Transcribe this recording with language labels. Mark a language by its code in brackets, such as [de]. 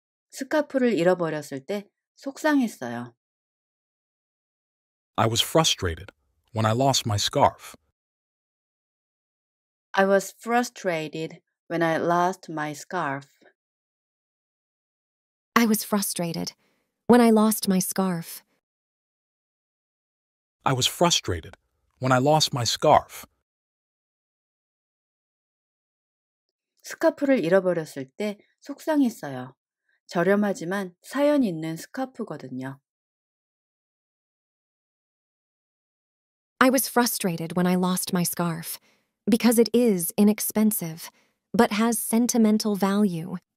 [ko] 스카프를 잃어버렸을 때 속상했어요. [en] I was frustrated when I lost my scarf. I was frustrated when I lost my scarf. I was frustrated when I lost my scarf. I was frustrated when I lost my scarf. [ko] 스카프를 잃어버렸을 때 속상했어요. 저렴하지만 사연 있는 스카프거든요. [en] I was frustrated when I lost my scarf because it is inexpensive but has sentimental value.